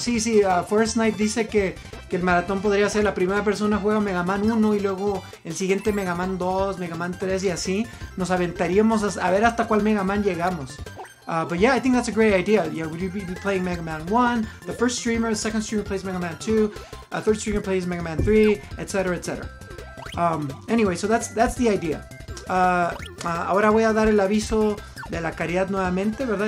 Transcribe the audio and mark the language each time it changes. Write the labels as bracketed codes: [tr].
[es] Sí, Forest Knight dice que el maratón podría ser la primera persona juega Mega Man 1 y luego el siguiente Mega Man 2, Mega Man 3 y así. Nos aventaríamos a ver hasta cuál Mega Man llegamos. [en] But yeah, I think that's a great idea. Yeah, would you be playing Mega Man 1? The first streamer, the second streamer plays Mega Man 2, a third streamer plays Mega Man 3, etc., etc. Anyway, so that's the idea. [es] Ahora voy a dar el aviso de la caridad nuevamente, ¿verdad?